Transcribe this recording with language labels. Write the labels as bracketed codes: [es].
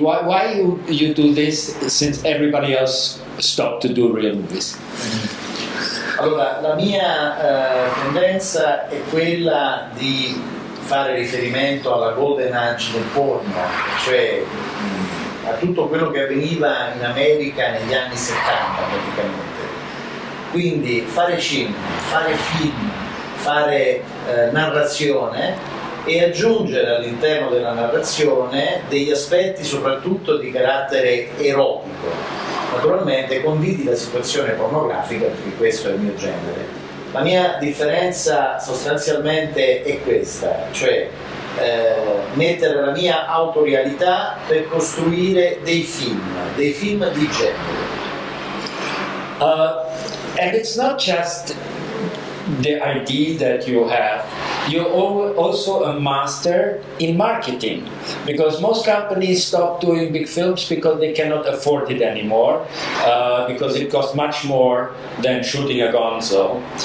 [en] Why you do this since everybody else stopped to do real movies? [it] Allora, la mia tendenza è quella di fare riferimento alla golden age del porno, cioè a tutto quello che avveniva in America negli anni 70 praticamente. Quindi fare cinema, fare film, fare narrazione e aggiungere all'interno della narrazione degli aspetti soprattutto di carattere erotico, naturalmente conditi da situazione pornografica, perché questo è il mio genere. La mia differenza sostanzialmente è questa, cioè mettere la mia autorialità per costruire dei film di genere. [en] And it's not just the idea that you have, you're also a master in marketing, because most companies stop doing big films because they cannot afford it anymore, because it costs much more than shooting a gonzo.